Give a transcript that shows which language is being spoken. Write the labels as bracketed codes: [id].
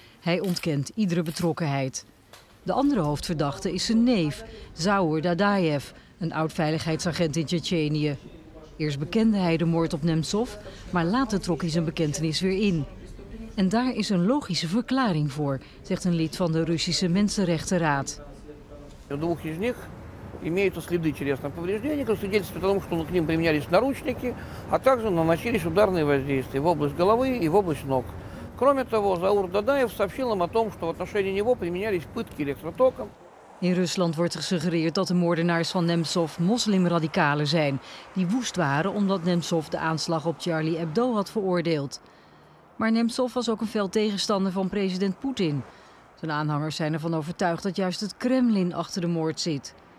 [nl] Hij ontkent iedere betrokkenheid. De andere hoofdverdachte is zijn neef, Zaur Dadaev, een oud-veiligheidsagent in Tsjetsjenië. Eerst bekende hij de moord op Nemtsov, maar later trok hij zijn bekentenis weer in. En daar is een logische verklaring voor, zegt een lid van de Russische Mensenrechtenraad. De 2 van hen hebben [ru] следы телесного повреждения, которые свидетельствуют о том, что к ним применялись наручники, а также наносились ударные воздействия в область головы и в область ног. Кроме того, Заур Дадаев сообщил им о том, что в отношении него применялись пытки электротоком. [nl] In Rusland wordt gesuggereerd dat de moordenaars van Nemtsov moslimradicalen zijn, die woest waren omdat Nemtsov de aanslag op Charlie Hebdo had veroordeeld. Maar Nemtsov was ook een fel tegenstander van president Poetin. Zijn aanhangers zijn ervan overtuigd dat juist het Kremlin achter de moord zit.